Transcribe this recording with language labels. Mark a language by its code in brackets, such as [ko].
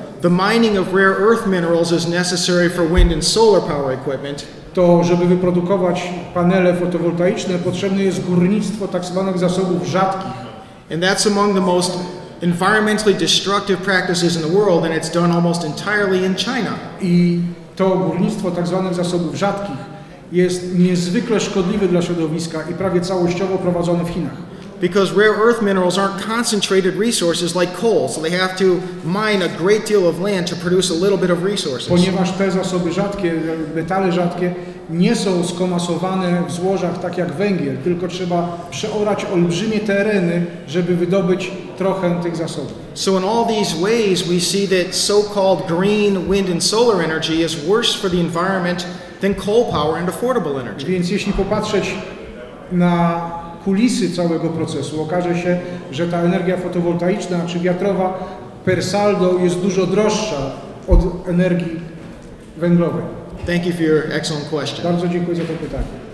[en] the mining of rare earth minerals is necessary for wind and solar power equipment. [pl] To, żeby wyprodukować panele fotowoltaiczne, potrzebne jest górnictwo tak zwanych zasobów rzadkich. [en] And that's among the most environmentally destructive practices in the world, and it's done almost entirely in China. [pl] I to górnictwo tak zwanych zasobów rzadkich jest niezwykle szkodliwe dla środowiska i prawie całościowo prowadzone w Chinach. [en] Because rare earth minerals aren't concentrated resources like coal, so they have to mine a great deal of land to produce a little bit of resources. [pl] Ponieważ te zasoby rzadkie, metale rzadkie, nie są skomasowane w złożach tak jak węgiel, tylko trzeba przeorać olbrzymie tereny, żeby wydobyć trochę tych zasobów. [en] So in all these ways we see that so-called green wind and solar energy is worse for the environment than coal power and affordable energy. [pl] Więc jeśli popatrzeć na kulisy całego procesu, okaże się, że ta energia fotowoltaiczna czy wiatrowa per saldo jest dużo droższa od energii węglowej. [en] Thank you for your excellent question. [pl] Bardzo dziękuję za to pytanie.